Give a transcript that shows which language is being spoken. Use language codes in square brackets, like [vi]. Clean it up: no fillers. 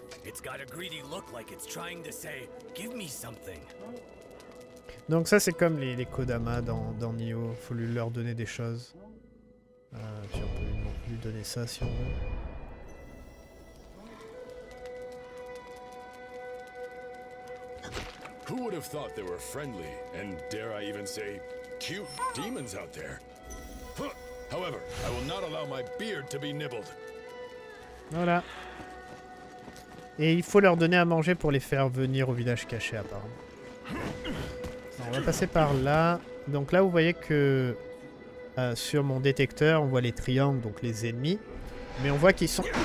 [en] It's got a greedy look like it's trying to say, give me something. [fr] Donc ça, c'est comme les Kodama dans Nioh. Faut lui leur donner des choses. Puis on peut lui donner ça si on veut. [en] Who would have thought there were friendly and dare I even say cute demons out there? However, I will not allow my beard to be nibbled. [fr] Voilà. Et il faut leur donner à manger pour les faire venir au village caché, apparemment. On va passer par là. Donc là, vous voyez que sur mon détecteur, on voit les triangles, donc les ennemis. Mais on voit qu'ils sont...